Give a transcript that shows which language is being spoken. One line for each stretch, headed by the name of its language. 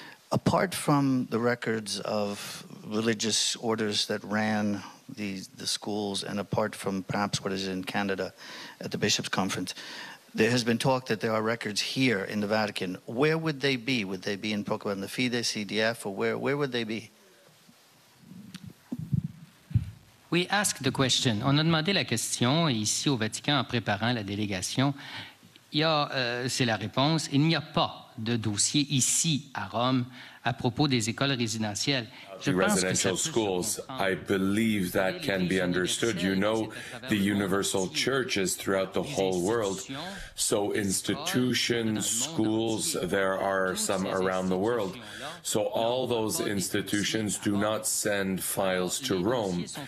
English: Apart from the records of religious orders that ran the schools, and apart from perhaps what is in Canada at the Bishop's Conference, there has been talk that there are records here in the Vatican. Where would they be? Would they be in Procura della Fede, CDF, or where would they be? We ask the question.
French: On a demandé la question ici au Vatican en préparant la délégation. Il y a, c'est la réponse, il n'y a pas de dossiers ici à Rome à propos des écoles résidentielles.
English: The residential schools, I believe that can be understood. You know, the universal church is throughout the whole world. So institutions, schools, there are some around the world. So all those institutions do not send files to Rome.